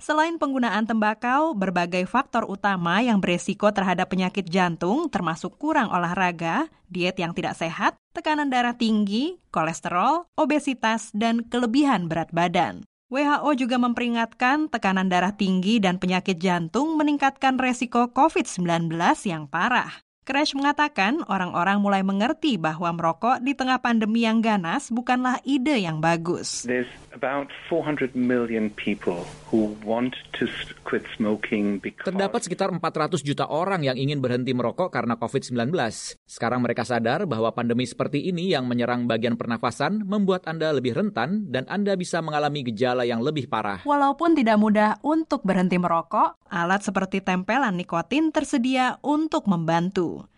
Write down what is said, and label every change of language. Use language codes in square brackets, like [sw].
[id] Selain penggunaan tembakau, berbagai faktor utama yang berisiko terhadap penyakit jantung termasuk kurang olahraga, diet yang tidak sehat, tekanan darah tinggi, kolesterol, obesitas, dan kelebihan berat badan. WHO juga memperingatkan tekanan darah tinggi dan penyakit jantung meningkatkan resiko COVID-19 yang parah. Crash mengatakan orang-orang mulai mengerti bahwa merokok di tengah pandemi yang ganas bukanlah ide yang bagus. [en] There's about 400 million people who want to quit smoking because... [id] Terdapat sekitar 400 juta orang yang ingin berhenti merokok karena COVID-19. Sekarang mereka sadar bahwa pandemi seperti ini yang menyerang bagian pernafasan membuat Anda lebih rentan dan Anda bisa mengalami gejala yang lebih parah. Walaupun tidak mudah untuk berhenti merokok, alat seperti tempelan nikotin tersedia untuk membantu.